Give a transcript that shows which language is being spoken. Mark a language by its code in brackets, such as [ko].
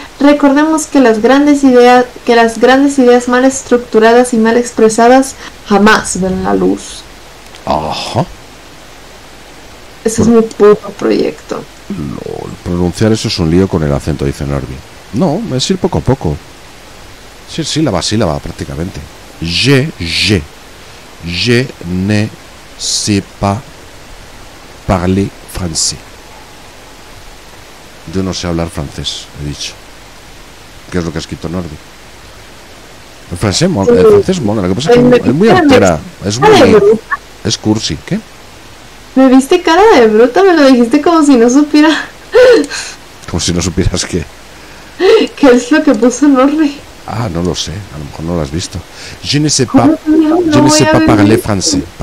[es] Recordemos que las grandes ideas mal estructuradas y mal expresadas jamás ven la luz. Ajá. Ese es mi puto proyecto. Lol, pronunciar eso es un lío con el acento, dice Norby. No, es ir poco a poco. Sí, sílaba prácticamente. [fr] Je ne sais pas parler français. [es] Yo no sé hablar francés, he dicho. ¿Qué es lo que ha escrito Norby? El francés mola, lo que pasa es que es muy austera. Es muy bruta. Es cursi, ¿qué? Me viste cara de bruta, me lo dijiste como si no supiera. Como si no supieras qué. ¿Qué es lo que puso Norby? Ah, no lo sé, a lo mejor no lo has visto. [fr] Je ne sais pas parler francés.